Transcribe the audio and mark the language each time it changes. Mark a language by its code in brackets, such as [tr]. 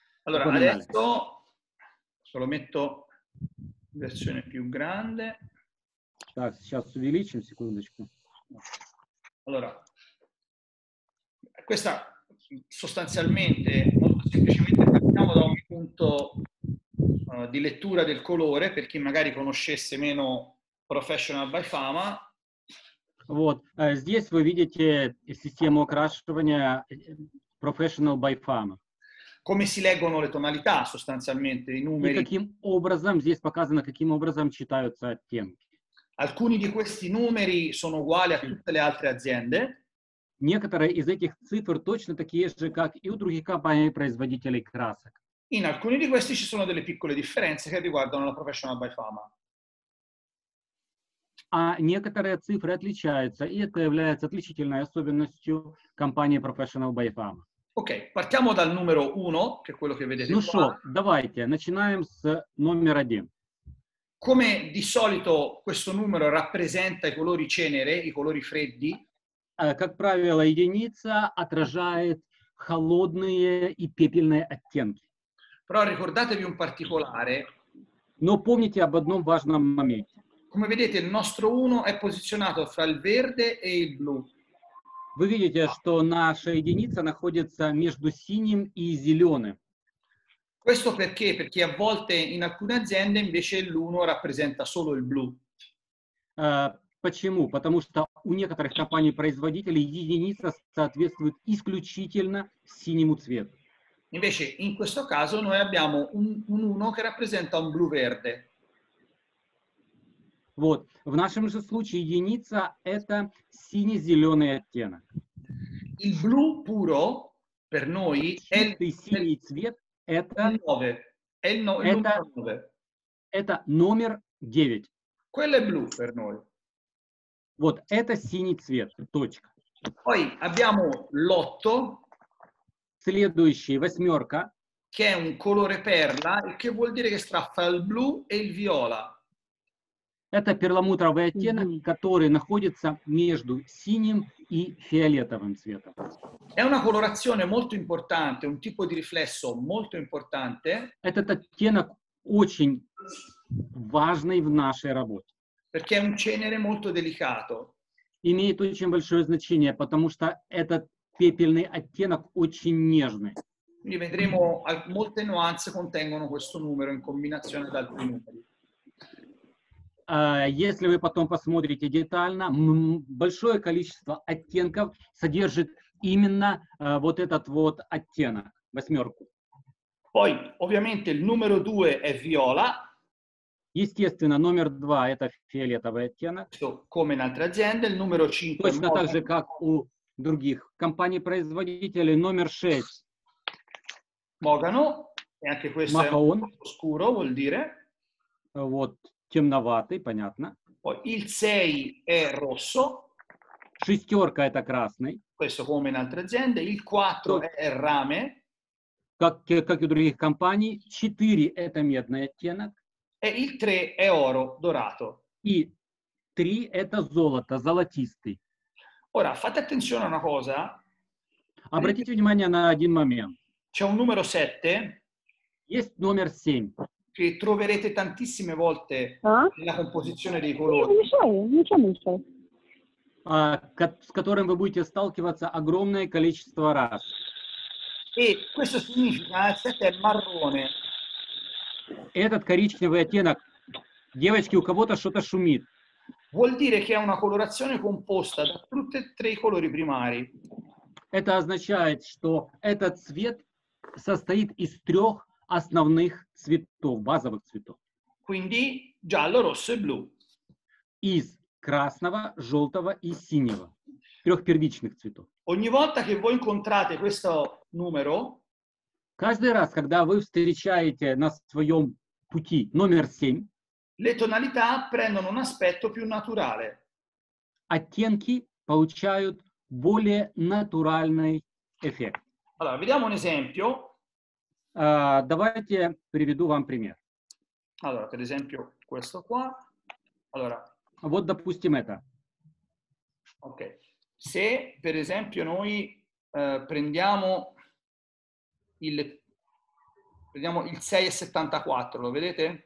[it] Allora, adesso solo metto versione più grande. [ru] Так, сейчас увеличим, секундочку. [it] Allora, questa sostanzialmente molto semplicemente partiamo da un punto di lettura del colore per chi magari conoscesse meno Professional by Fama. [ru] Вот, здесь вы видите систему окрашивания Professional by Fama. [it] Come si leggono le tonalità sostanzialmente, i numeri? [ru] И каким образом здесь показано, каким образом читаются оттенки? [it] Alcuni di questi numeri sono uguali a tutte le altre aziende. [ru] Некоторые из этих цифр точно такие же, как и у других компаний-производителей красок. [it] In alcuni di questi ci sono delle piccole differenze che riguardano la Professional by Fama. [ru] А некоторые цифры отличаются, и это является отличительной особенностью компании Professional by Fama. [it] Окей, partiamo dal numero 1, che è quello che vedete. [ru] Ну что, давайте, начинаем с номер 1. [it] Come di solito questo numero rappresenta i colori cenere, i colori freddi? [ru] Как правило, единица отражает холодные и пепельные оттенки. [it] Però ricordatevi un particolare. [ru] Но помните об одном важном моменте. [it] Come vedete, il nostro 1 è posizionato fra il verde e il blu. [ru] Вы видите, что наша единица находится между синим и зеленым. [it] Questo perché? Perché a volte in alcune aziende invece l'1 rappresenta solo il blu. [ru] Почему? Потому что у некоторых компаний-производителей единица соответствует исключительно синему цвету. [it] Invece in questo caso noi abbiamo un 1 che rappresenta un blu-verde. [ru] Вот. В нашем же случае единица – это сине-зеленый оттенок. [it] Il blu puro per noi è il [ru] синий цвет – это [it] 9. [ru] Это номер 9. [it] Quello è blu per noi. [ru] Вот, это синий цвет, точка. [it] Poi abbiamo l'8. [ru] Следующий, восьмерка. [it] Che è un colore perla, che vuol dire che sta fra il blu e il viola. [ru] Это перламутровый оттенок, который находится между синим и фиолетовым цветом. [it] È una colorazione molto importante, un tipo di riflesso molto importante. [ru] Этот оттенок очень важный в нашей работе. [it] Perché è un cenere molto delicato. [ru] Имеет очень большое значение, потому что этот пепельный оттенок очень нежный. [it] Quindi vedremo molte nuance contengono questo numero in combinazione ad altri numeri. [ru] Если вы потом посмотрите детально, большое количество оттенков содержит именно вот этот вот оттенок, восьмерку. [it] Poi, ovviamente, il numero 2 è viola. [ru] Естественно, номер 2 – это фиолетовый оттенок. [it] Come in altre aziende, il numero 5 [ru] точно можно... так же, как у других компаний-производителей, номер 6. [it] Mogano, e anche questo Mahon. È un scuro, vuol dire. [ru] Вот. Темноватый, понятно. [it] Il 6 è rosso. [ru] Шестерка – это красный. [it] Questo come in altre aziende. Il 4 è rame. [ru] Как и у других компаний. 4 – это медный оттенок. [it] E il 3 è oro, dorato. [ru] И 3 – это золото, золотистый. [it] Ora, fate attenzione a una cosa. [ru] Обратите внимание на один момент. [it] C'è un numero 7. [ru] Есть номер 7. [it] Che troverete tantissime volte nella composizione dei colori. [ru] С которым вы будете сталкиваться огромное количество раз. [it] E questo significa che è marrone. [ru] Этот коричневый оттенок. Девочки, у кого-то что-то шумит. [it] Vuol dire che è una colorazione composta da tutti e tre i colori primari. [ru] Это означает, что этот цвет состоит из трех основных цветов, базовых цветов. [it] Quindi giallo, rosso e blu. [ru] Из красного, желтого и синего. Трех первичных цветов. [it] Ogni volta che voi incontrate questo numero, [ru] каждый раз, когда вы встречаете на своем пути номер 7, [it] le tonalità prendono un aspetto più naturale. [ru] Оттенки получают более натуральный эффект. [it] Allora, vediamo un esempio. [ru] Давайте приведу вам пример. [it] Allora, per esempio, questo qua. Allora, [ru] вот, допустим, это. Okay. [it] Se, per esempio, noi prendiamo il 674, lo vedete?